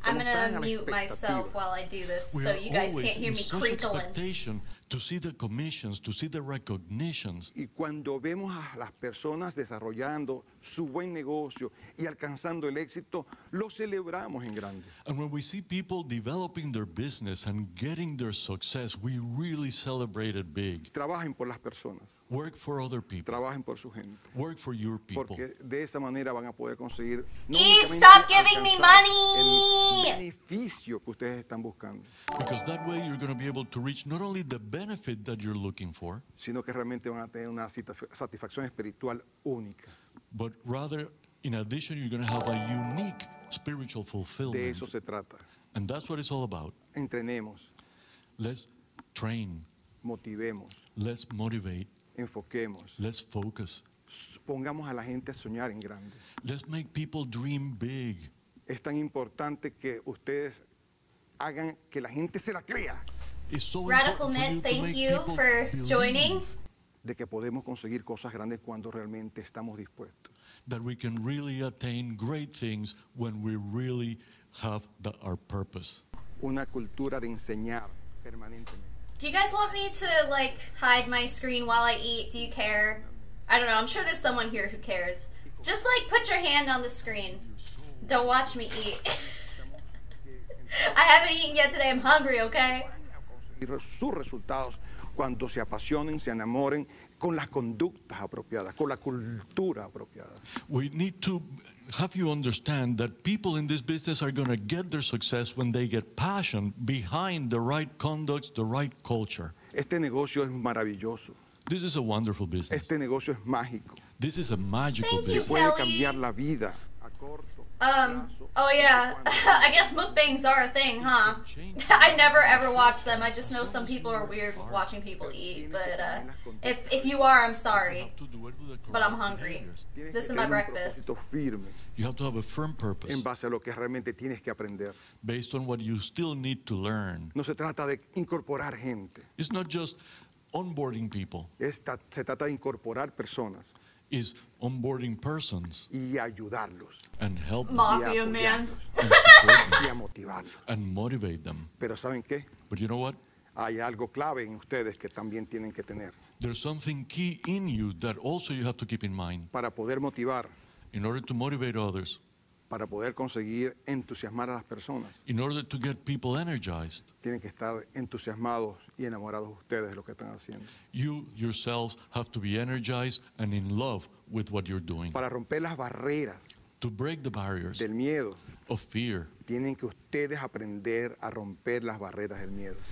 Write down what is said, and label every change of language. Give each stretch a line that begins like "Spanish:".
English: I'm gonna mute myself while I do this, we so you guys can't hear me crinkling. We are always in to see the commissions, to see the recognitions.
Spanish: Y cuando vemos a las personas desarrollando su buen negocio y alcanzando el éxito, lo celebramos en grande.
English: And when we see people developing their business and getting their success, we really celebrate it big.
Spanish: Trabajen por las personas.
English: Work for other people.
Spanish: Trabajen por su gente.
English: Work for your people.
Spanish: Porque de esa manera van a poder conseguir no
English: Eve, stop giving me money!
Spanish: El beneficio que ustedes están buscando.
English: Because that way you're going to be able to reach not only the benefit that you're looking for,
Spanish: sino que realmente van a tener una satisfacción espiritual única.
English: But rather, in addition, you're going to have a unique spiritual fulfillment.
Spanish: De eso se trata.
English: And that's what it's all about.
Spanish: Entrenemos.
English: Let's train.
Spanish: Motivemos.
English: Let's motivate.
Spanish: Enfoquemos.
English: Let's focus.
Spanish: Pongamos a la gente a soñar en grande.
English: Let's make people dream big.
Spanish: Es tan importante que ustedes hagan que la gente se la crea.
English: It's so Radical Mint, thank you for joining.
Spanish: De que podemos conseguir cosas grandes cuando realmente estamos dispuestos.
English: That we can really attain great things when we really have our purpose.
Spanish: Una cultura de enseñar permanentemente.
English: Do you guys want me to, like, hide my screen while I eat? Do you care? I don't know. I'm sure there's someone here who cares. Just, like, put your hand on the screen. Don't watch me eat. I haven't eaten yet today. I'm hungry, okay?
Spanish: Sus resultados cuando se apasionen, se enamoren con las conductas apropiadas, con la cultura apropiada.
English: We need to have you understand that people in this business are going to get their success when they get passion behind the right conducts, the right culture.
Spanish: Este negocio es maravilloso.
English: This is a wonderful business.
Spanish: Este negocio es mágico.
English: This is a magical Thank business. You, Kelly.
Spanish: Puede cambiar la vida.
English: Oh yeah, I guess mukbangs are a thing, huh? I never ever watch them. I just know some people are weird with watching people eat, but if you are, I'm sorry, but I'm hungry. This is my breakfast. You have to have a firm purpose.
Spanish: En base a lo que realmente tienes que aprender.
English: Based on what you still need to learn.
Spanish: No se trata de incorporar gente.
English: It's not just onboarding people.
Spanish: Se trata de incorporar personas.
English: Is onboarding persons
Spanish: y ayudarlos.
English: And help Mafia them. Man.
Spanish: Y motivarlos.
English: And motivate them.
Spanish: Pero ¿saben qué?
English: But you know what?
Spanish: Hay algo clave en ustedes que también tienen que tener.
English: There's something key in you that also you have to keep in mind.
Spanish: Para poder motivar.
English: In order to motivate others.
Spanish: Para poder conseguir entusiasmar a las personas.
English: In order to get people energized.
Spanish: Tienen que estar entusiasmados y enamorados ustedes de lo que están haciendo.
English: You yourselves have to be energized and in love with what you're doing.
Spanish: Para romper las barreras.
English: To break the barriers.
Spanish: Del miedo.
English: Of fear.
Spanish: Tienen que ustedes aprender a romper las barreras del miedo.